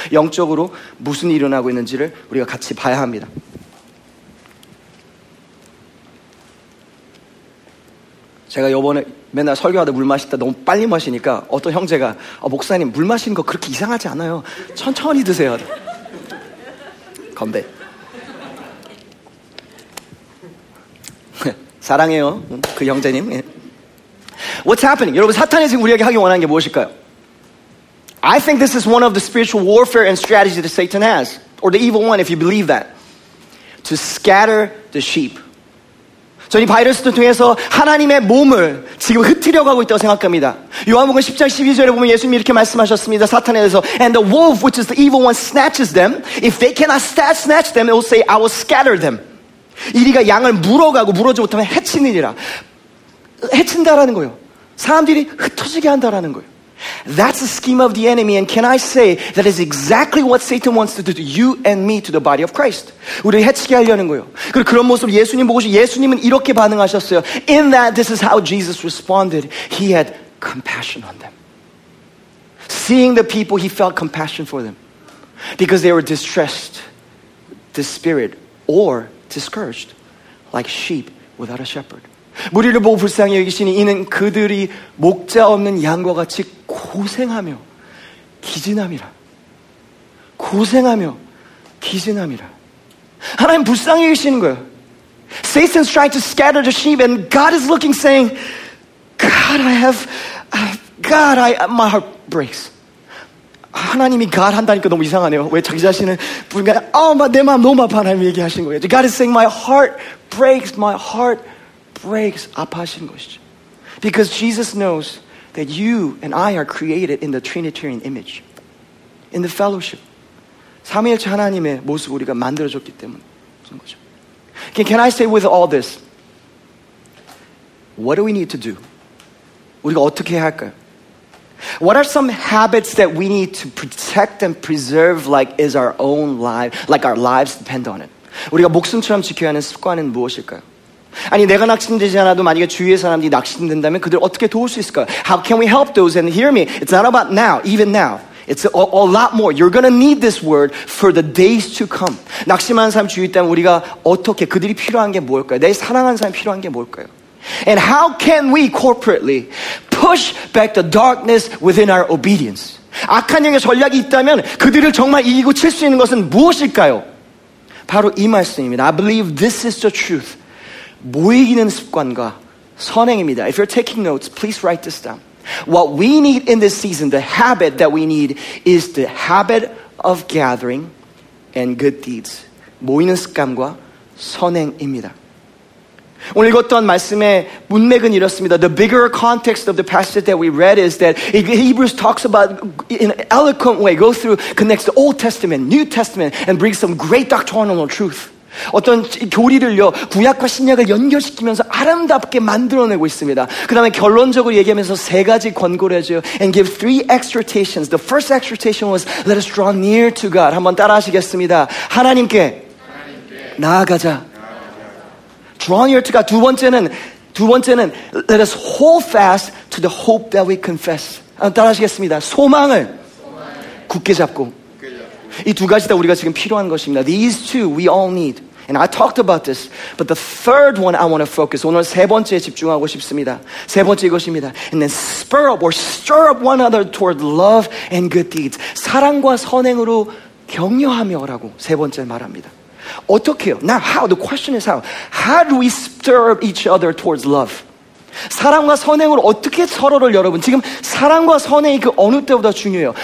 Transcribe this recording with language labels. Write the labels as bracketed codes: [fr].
[ko] 영적으로 무슨 일이 일어나고 있는지를 우리가 같이 봐야 합니다. 제가 이번에 맨날 설교하다 물 마시다 너무 빨리 마시니까 어떤 형제가 목사님 물 마시는 거 그렇게 이상하지 않아요. 천천히 드세요. 건배. 사랑해요. 그 형제님. [en] What's happening? [ko] 여러분 사탄이 지금 우리에게 하기 원하는 게 무엇일까요? [en] I think this is one of the spiritual warfare and strategy that Satan has. Or the evil one, if you believe that. To scatter the sheep. [ko] 저는 이 바이러스를 통해서 하나님의 몸을 지금 흩트려가고 있다고 생각합니다. 요한복음 10장 12절에 보면 예수님이 이렇게 말씀하셨습니다. 사탄에 대해서. [en] And the wolf, which is the evil one, snatches them. If they cannot snatch them, it will say, I will scatter them. [ko] 이리가 양을 물어가고 물어지 못하면 해치느니라. 해친다라는 거예요. 사람들이 흩어지게 한다라는 거예요. [en] That's the scheme of the enemy. And can I say that is exactly what Satan wants to do to you and me, to the body of Christ. [ko] 우리를 해치게 하려는 거예요. 그리고 그런 모습을 예수님 보고 예수님은 이렇게 반응하셨어요. [en] In that, this is how Jesus responded. He had compassion on them. Seeing the people, he felt compassion for them. Because they were distressed, dispirited, or discouraged, like sheep without a shepherd. [ko] 무리를 보고 불쌍히 여기시니 이는 그들이 목자 없는 양과 같이 고생하며 기진함이라. 고생하며 기진함이라. 하나님 불쌍히 여기시는 거예요. [en] Satan's trying to scatter the sheep and God is looking saying, God, my heart breaks. [ko] 하나님이 God 한다니까 너무 이상하네요. 왜 자기 자신은 내 마음 너무 아파 하나님 얘기하시는 거예요. [en] God is saying, my heart breaks, [ko] 아파하시는 것이죠. [en] Because Jesus knows that you and I are created in the Trinitarian image, in the fellowship. [ko] 삼위일체 하나님의 모습 우리가 만들어졌기 때문인 거죠. [en] Can I say with all this, what do we need to do? [ko] 우리가 어떻게 할까요? [en] What are some habits that we need to protect and preserve like our lives depend on it? [ko] 우리가 목숨처럼 지켜야 하는 습관은 무엇일까요? 아니 내가 낙심되지 않아도 만약에 주위의 사람들이 낙심된다면 그들 어떻게 도울 수 있을까요? [en] How can we help those? And hear me, it's not about now, even now. It's a lot more. You're gonna need this word for the days to come. [ko] 낙심하는 사람 주위에 있다면 우리가 어떻게 그들이 필요한 게 뭘까요? 내 사랑하는 사람 필요한 게 뭘까요? [en] And how can we corporately push back the darkness within our obedience? [ko] 악한 영의 전략이 있다면 그들을 정말 이기고 칠 수 있는 것은 무엇일까요? 바로 이 말씀입니다. [en] I believe this is the truth. [ko] 모이기는 습관과 선행입니다. [en] If you're taking notes, please write this down. What we need in this season, the habit that we need is the habit of gathering and good deeds. [ko] 모이는 습관과 선행입니다. 오늘 읽었던 말씀의 문맥은 이렇습니다. [en] The bigger context of the passage that we read is that Hebrews talks about in an eloquent way, go through, connects the Old Testament, New Testament, and brings some great doctrinal truth. [ko] 어떤 교리를요 구약과 신약을 연결시키면서 아름답게 만들어내고 있습니다. 그 다음에 결론적으로 얘기하면서 세 가지 권고를 해줘요. [en] And give three exhortations. The first exhortation was, let us draw near to God. [ko] 한번 따라하시겠습니다. 하나님께 나아가자. [en] Draw near to God. [ko] 두 번째는 [en] let us hold fast to the hope that we confess. [ko] 한번 따라하시겠습니다. 소망을 굳게 잡고. 이 두 가지 다 우리가 지금 필요한 것입니다. [en] These two we all need. And I talked about this. But the third one I want to focus. [ko] 오늘 세 번째에 집중하고 싶습니다. 세 번째 이것입니다. [en] And then spur up or stir up one another toward love and good deeds. [ko] 사랑과 선행으로 격려하며라고 세 번째 말합니다. 어떻게요? [en] Now how? The question is how. How do we stir up each other towards love? [ko] 사랑과 선행으로 어떻게 서로를 여러분 지금 사랑과 선행이 그 어느 때보다 중요해요.